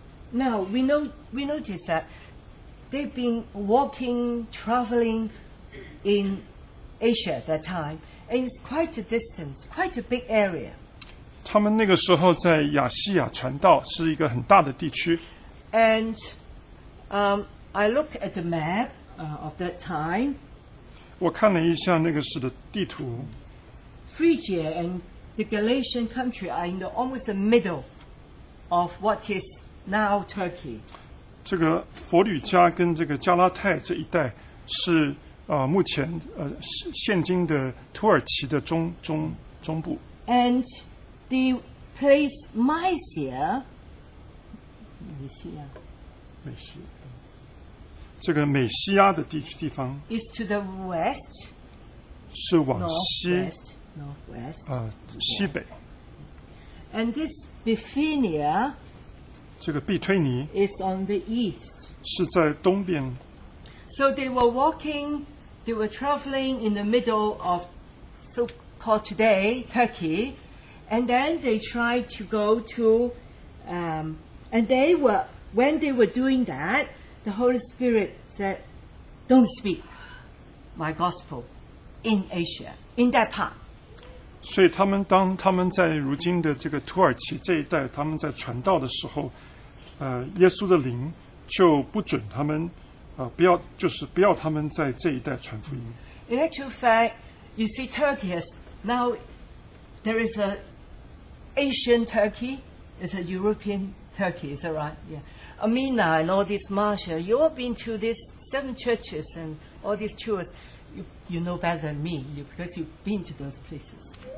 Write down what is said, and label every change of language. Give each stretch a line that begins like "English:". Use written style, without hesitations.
English: Now we notice that they've been walking, traveling in Asia at that time, and it's quite a distance, quite a big area.
Chinese: 他们那个时候在亚细亚传道是一个很大的地区。
English: And I look at the map of that time.
Chinese: 我看了一下那个时的地图。
English: Phrygia and The Galatian country are in the almost the middle of what is now Turkey.
Chinese: 这个佛吕加跟这个加拉太这一带是目前现今的土耳其的中部。
English: And the place Mysia,
Chinese: Mysia, 这个美西亚的地方
English: is to the west.
Chinese: 是往西。
English: Northwest,
Chinese: 西北。
English: And this Bithynia,
Chinese: 这个比推尼
English: is on the east.
Chinese: 是在东边。
English: So they were walking, they were traveling in the middle of so-called today Turkey, And then they tried to go to, and they were, when they were doing that, the Holy Spirit said, don't speak my gospel in Asia, in that part.
Chinese: 所以他们在如今的这个土耳其这一带他们在传道的时候，耶稣的灵就不准他们，不要他们在这一带传福音。
English: In actual fact, you see Turkey has now, there is a Asian Turkey, it's a European Turkey, is that right? Yeah. Amina and all these Marsha, you all been to these seven churches and all these tours, you know better than me, because you've been to those places.